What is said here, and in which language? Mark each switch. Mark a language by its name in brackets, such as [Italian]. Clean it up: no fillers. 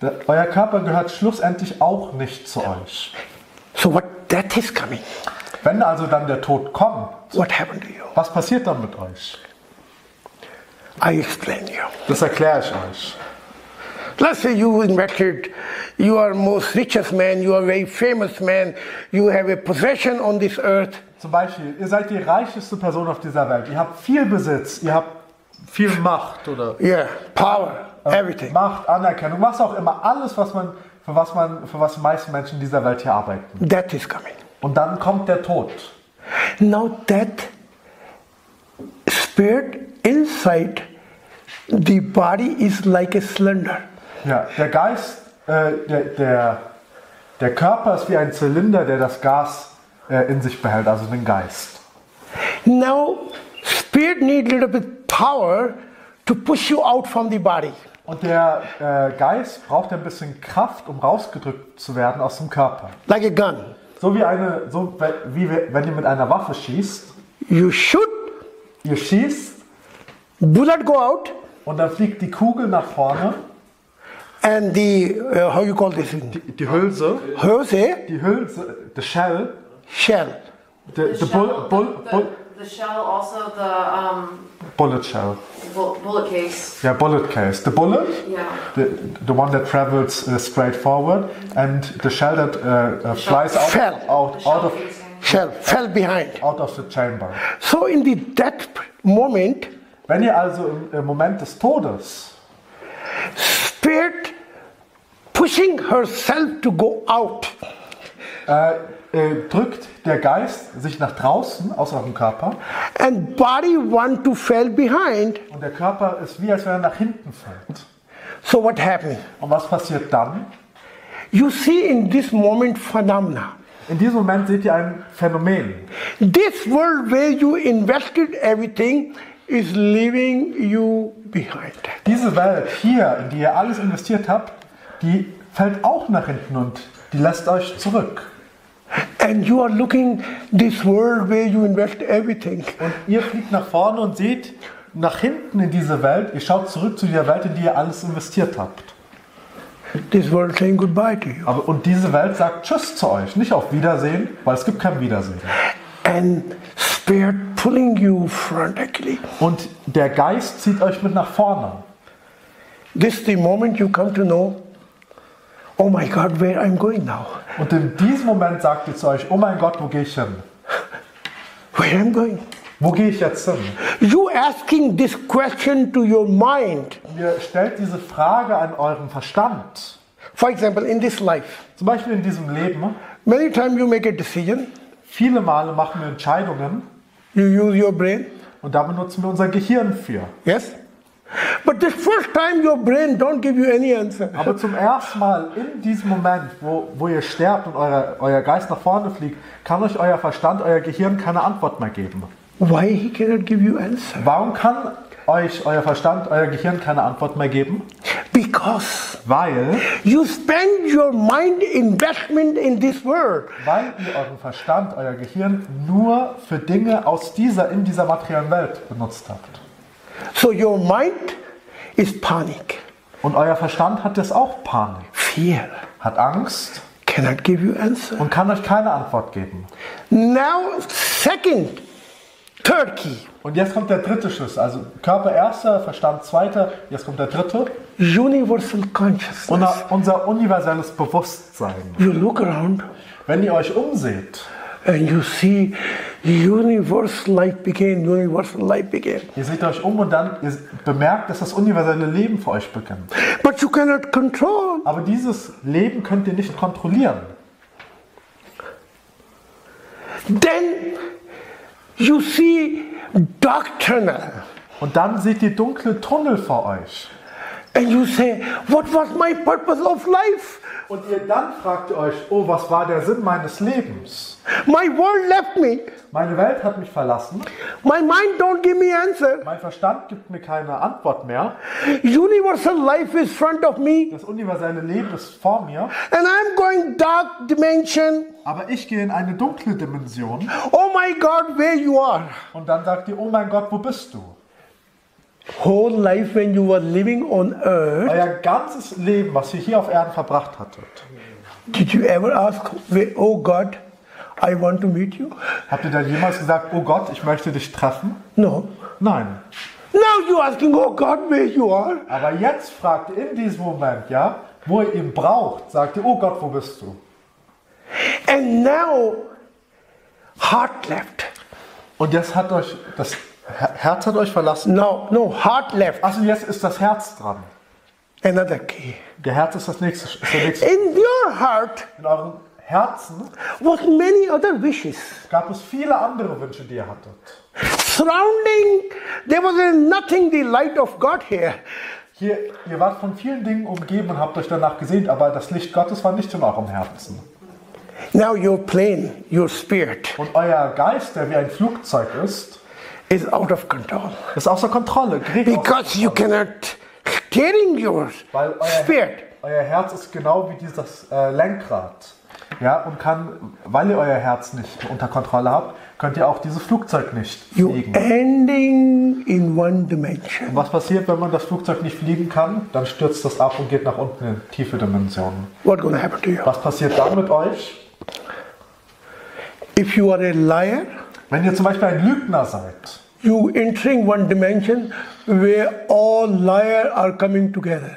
[German] Euer Körper gehört schlussendlich auch nicht zu euch. [English] So what death is coming? [German] Wenn also dann der Tod kommt. [English] What happened to you? [German] Was passiert dann mit euch? [English] I explain you. [German] Das erkläre ich euch. [English] Let's say you invested, you are most richest man, you are very famous man, you have a possession on this earth. [German] Zum Beispiel, ihr seid die reichste Person auf dieser Welt. Ihr habt viel Besitz, ihr habt viel Macht oder. [English] Yeah, power, everything. [German] Macht, Anerkennung, was auch immer, alles, was die meisten Menschen in dieser Welt hier arbeiten. [English] Death is coming. [German] Und dann kommt der Tod. [English] Now that spirit inside the body is like a cylinder. [German] Ja, der Geist, der Körper ist wie ein Zylinder, der das Gas in sich behält, also den Geist. [English] Now, spirit need a little bit power to push you out from the body. [German] Und der Geist braucht ein bisschen Kraft, um rausgedrückt zu werden aus dem Körper. [English] Like a gun. [German] So wie eine, wie wenn ihr mit einer Waffe schießt. [English] You shoot. [German] Ihr schießt. [English] Bullet go out. [German] Und dann fliegt die Kugel nach vorne. [English] And the how you call this? [German] Die Hülse. Hülse. Die Hülse. [English] The shell. Shell. The shell also the bullet shell. Bullet case. Yeah, bullet case. The bullet. Yeah. The one that travels straight forward, and the shell that flies out. Fell. Out of shell. Fell behind. Out of the chamber. So in the death moment. [German] Wenn ihr also im Moment des Todes. [English] Spirit pushing herself to go out. [German] Drückt der Geist sich nach draußen aus eurem Körper. [English] And body want to fall behind. [German] Und der Körper ist wie als wenn er nach hinten fällt. [English] So what happened? [German] Und was passiert dann? [English] You see in this moment phenomena. [German] In diesem Moment seht ihr ein Phänomen. [English] This world where you invested everything is leaving you behind. [German] Diese Welt hier, in die ihr alles investiert habt, die fällt auch nach hinten und die lässt euch zurück. [English] And you are looking this world where you invest everything. [German] Und ihr fliegt nach vorne und seht nach hinten in diese Welt. Ihr schaut zurück zu dieser Welt, in die ihr alles investiert habt. [English] This world saying goodbye to you. [German] Aber und diese Welt sagt Tschüss zu euch, nicht auf Wiedersehen, weil es gibt kein Wiedersehen. [English] And spirit pulling you frantically. [German] Und der Geist zieht euch mit nach vorne. [English] This is the moment you come to know. Oh my God, where I'm going now? [German] Und in diesem Moment sagt ihr zu euch: Oh mein Gott, wo gehe ich hin? [English] Where I'm going? [German] Wo gehe ich jetzt hin? [English] You asking this question to your mind. [German] Ihr stellt diese Frage an euren Verstand. [English] For example, in this life. [German] Zum Beispiel in diesem Leben. [English] Many times you make a decision. [German] Viele Male machen wir Entscheidungen. [English] You use your brain. [German] Und da benutzen wir unser Gehirn für. [English] Yes. But the first time your brain don't give you any answer. [German] Aber zum ersten Mal in diesem Moment, wo ihr sterbt und euer Geist nach vorne fliegt, kann euch euer Verstand, euer Gehirn keine Antwort mehr geben. [English] Why he cannot give you answer? [German] Warum kann euch euer Verstand, euer Gehirn keine Antwort mehr geben? [English] Because. [German] Weil. [English] You spend your mind investment in this world. [German] Weil ihr euren Verstand, euer Gehirn nur für Dinge aus dieser materiellen Welt benutzt habt. [English] So your mind is panic. [German] Und euer Verstand hat das auch Panik. [English] Fear. [German] Hat Angst. [English] Cannot give you answer. [German] Und kann euch keine Antwort geben. [English] Now second, third key. [German] Und jetzt kommt der dritte Schuss. Also Körper erster, Verstand zweiter. Jetzt kommt der dritte. [English] Universal consciousness. [German] Unser universelles Bewusstsein. [English] You look around. [German] Wenn ihr euch umseht. [English] And you see universal life begin, universal life begin. [German] Ihr seht euch um und dann ihr bemerkt, dass das universelle Leben für euch beginnt. [English] But you cannot control. [German] Aber dieses Leben könnt ihr nicht kontrollieren. [English] Then you see doctrinal. [German] Und dann seht ihr dunkle Tunnel vor euch. [English] And you say, what was my purpose of life? [German] Und ihr dann fragt euch, oh, was war der Sinn meines Lebens? [English] My world left me. [German] Meine Welt hat mich verlassen. [English] My mind don't give me answer. [German] Mein Verstand gibt mir keine Antwort mehr. [English] Universal life is front of me. [German] Das universelle Leben ist vor mir. [English] And I'm going dark dimension. [German] Aber ich gehe in eine dunkle Dimension. [English] Oh my God, where you are? [German] Und dann sagt ihr, oh mein Gott, wo bist du? [English] Whole life when you were living on earth. [German] Euer ganzes Leben, was ihr hier auf Erden verbracht hattet. [English] Did you ever ask, oh God, I want to meet you? [German] Habt ihr da jemals gesagt, oh Gott, ich möchte dich treffen? [English] No. [German] Nein. [English] Now you asking, oh God, where you are? [German] Aber jetzt fragt ihr in diesem Moment, ja, wo ihr ihn braucht, sagt ihr, oh Gott, wo bist du? [English] And now, heart left. [German] Und jetzt hat euch das Herz hat euch verlassen. [English] No, heart left. [German] Also jetzt ist das Herz dran. [English] Another key. [German] Der Herz ist das nächste. [English] In your heart. [German] In eurem Herzen. [English] Was many other wishes. [German] Gab es viele andere Wünsche, die ihr hattet. [English] Surrounding, there was nothing the light of God here. [German] Hier, ihr wart von vielen Dingen umgeben und habt euch danach gesehnt, aber das Licht Gottes war nicht in eurem Herzen. [English] Now your plane, your spirit. [German] Und euer Geist, der wie ein Flugzeug ist. [English] Is out of control. [German] Ist außer Kontrolle. [English] Because you cannot steering your spirit. [German] Euer Herz ist genau wie dieses Lenkrad, ja, und kann, weil ihr euer Herz nicht unter Kontrolle habt, könnt ihr auch dieses Flugzeug nicht fliegen. [English] You ending in one dimension. [German] Und was passiert, wenn man das Flugzeug nicht fliegen kann? Dann stürzt das ab und geht nach unten in tiefe Dimensionen. [English] What gonna happen to you? [German] Was passiert dann mit euch? [English] If you are a liar. [German] Wenn ihr zum Beispiel ein Lügner seid, [English] you entering one dimension where all liars are coming together.